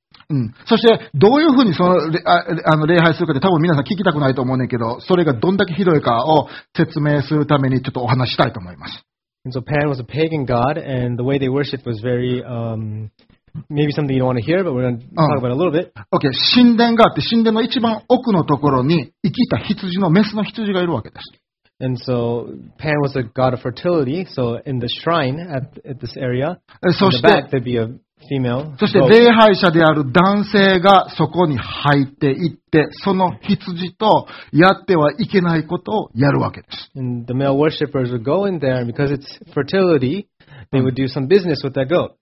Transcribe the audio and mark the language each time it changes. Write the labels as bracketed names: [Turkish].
[Japanese] うん、そしてどういうふうにその礼拝するかって多分皆さん聞きたくないと思うねんけど、それがどんだけひどいかを説明するためにちょっとお話したいと思います。 [English] And so Pan was a pagan god, and the way they worshipped was very, maybe something you don't want to hear, but we're going to talk about it a little bit. [Japanese] Okay, 神殿があって、神殿の一番奥のところに生きた羊のメスの羊がいるわけです。 [English] And so Pan was a god of fertility, so in the shrine at this area, in the back there'd be aa female. [Japanese] そして礼拝者である男性がそこに入っていって、その羊とやってはいけないことをやるわけです。 [English] And the male worshippers would go in there, and because it's fertility, they would do some business with that goat.